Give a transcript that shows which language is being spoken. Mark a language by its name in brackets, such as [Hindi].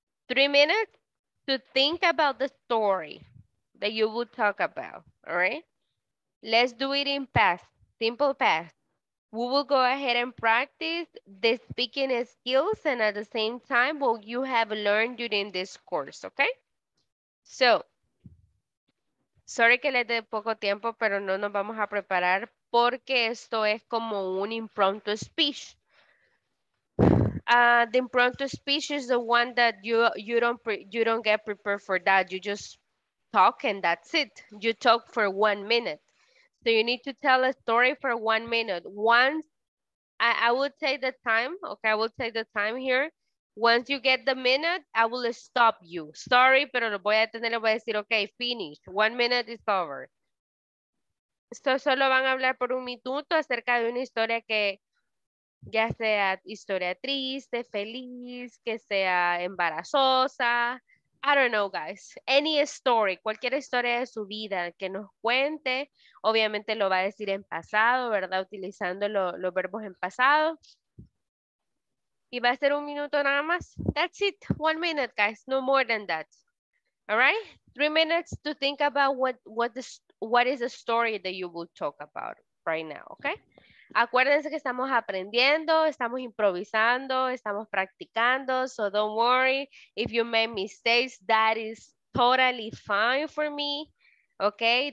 [English] 3 minutes to think about the story that you will talk about, all right? Let's do it in past, simple past. We will go ahead and practice the speaking skills and at the same time what you have learned during this course, okay? [Spanish] So, sorry que les dé poco tiempo, pero no nos vamos a preparar porque esto es como un impromptu speech. [English] The impromptu speech is the one that you don't get prepared for that. You just talk and that's it. You talk for 1 minute. So you need to tell a story for 1 minute. Once, I will take the time, okay? I will take the time here. Once you get the minute, I will stop you. [Spanish] Sorry, pero lo voy a tener, voy a decir, okay, finish. 1 minute is over. So solo van a hablar por un minuto acerca de una historia que ya sea historia triste, feliz, que sea embarazosa. I don't know, guys. Any story, cualquier historia de su vida que nos cuente, obviamente lo va a decir en pasado, ¿verdad? Utilizando los verbos en pasado. Y va a ser un minuto nada más. [English] That's it. 1 minute, guys. No more than that. All right? 3 minutes to think about what is the story that you will talk about right now, okay? Acuérdense que estamos aprendiendo, estamos improvisando, estamos practicando, so don't worry if you make mistakes, that is totally fine for me, okay?